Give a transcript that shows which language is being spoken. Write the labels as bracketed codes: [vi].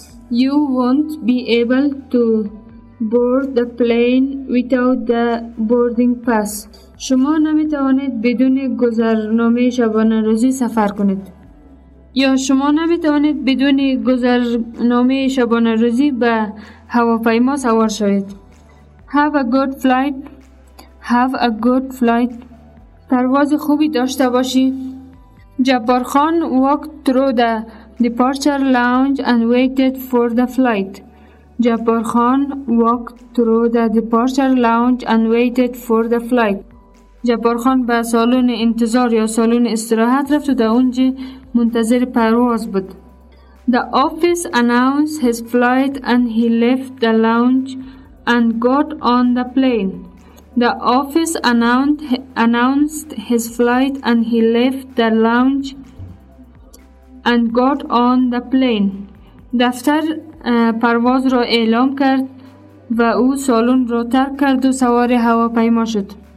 [en] You won't be able to board the plane without the boarding pass. [fa] شما نمی توانید بدون گذرنامه شبانه روزی سفر کنید. یا شما نمی توانید بدون گذرنامه شبانه روزی به هواپیما سوار شوید. [en] Have a good flight. Have a good flight. [fa] پرواز خوبی داشته باشی. [en] جبار خان walked through the departure lounge and waited for the flight. جبار خان walked through the departure lounge and waited for the flight. [fa] جبار خان به سالن انتظار یا سالن استراحت رفت و در اونجا منتظر پرواز بود. [en] The office announced his flight and he left the lounge and got on the plane. The office announced his flight and he left the lounge and got on the plane. [fa] دفتر پرواز را اعلام کرد و او سالن را ترک کرد و سوار هواپیما شد.